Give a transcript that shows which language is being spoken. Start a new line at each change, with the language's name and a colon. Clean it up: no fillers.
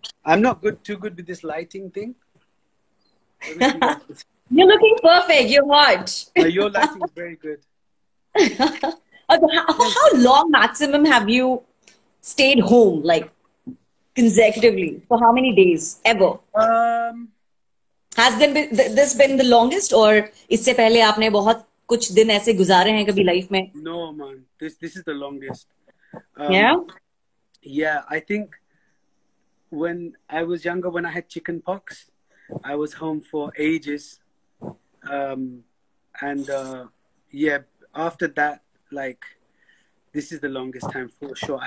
English: I'm not good too good with this lighting thing. Let me see You're if it's looking perfect. You're hot. no, your lighting is very good. Okay, Yes. how long maximum have you stayed home, like consecutively? For how many days? Ever? Has this been the longest, or
Hindi: इससे पहले आपने बहुत कुछ दिन ऐसे गुजारे हैं कभी लाइफ में?
English: No, man. This is the longest. Yeah. Yeah, I think when I was younger, when I had chicken pox, I was home for ages. Yeah, after that, like, this is the longest time for sure.